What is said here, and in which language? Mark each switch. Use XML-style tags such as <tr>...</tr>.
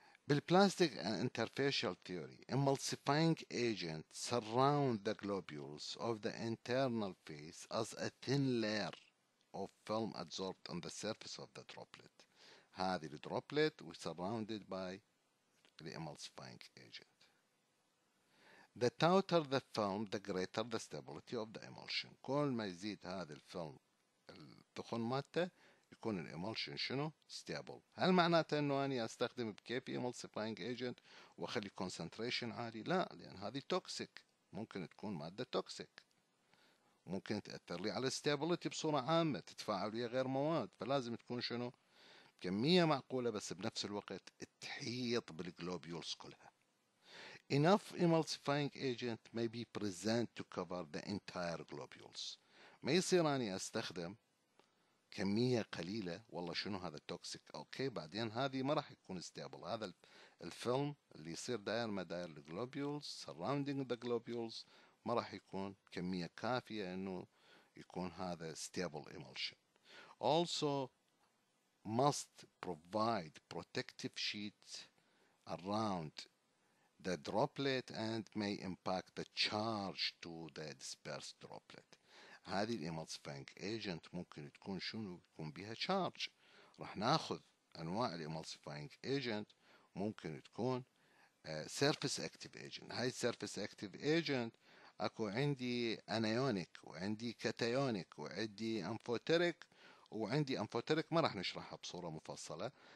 <en>بالplastic and interfacial theory emulsifying agent surround the globules of the internal phase as a thin layer of film adsorbed on the surface of the droplet.</en> <ar>هذه الدروبلت</ar> <en>was surrounded by the emulsifying agent. The tauter the film the greater the stability of the emulsion.</en> <ar>كل ما يزيد هذا الفيلم الدخون مالته يكون الامولشن شنو ستيبل. هل معناته انه اني استخدم بكيفي امولسيفاينج ايجنت واخلي كونسنتريشن عالي؟ لا، لان هذه توكسيك، ممكن تكون ماده توكسيك، ممكن تاثر لي على الستيبلتي بصوره عامه، تتفاعل ويا غير مواد، فلازم تكون شنو كميه معقوله، بس بنفس الوقت تحيط بالجلوبولز كلها.</ar> <en>enough emulsifying agent may be present to cover the entire globules.</en> <ar>ما يصير اني استخدم كمية قليلة والله شنو هذا توكسيك، أوكي بعدين هذه ما راح يكون ستيبل، هذا الفيلم اللي يصير داير مداير الجلوبولز</ar> <en>surrounding the globules</en> <ar>ما راح يكون كمية كافية إنه يكون هذا ستيبل emulsion.</ar> <en>also must provide protective sheets around the droplet and may impact the charge to the dispersed droplet.</en> <ar>هذه الامالسيفاينج ايجنت ممكن تكون شنو يكون بها تشارج. راح ناخذ انواع الامالسيفاينج ايجنت ممكن تكون سيرفس اكتيف ايجنت. هاي سيرفس اكتيف ايجنت اكو عندي انايونيك وعندي كاتايونيك وعندي امفوتيريك وعندي امفوتيريك ما راح نشرحها بصوره مفصله.</ar>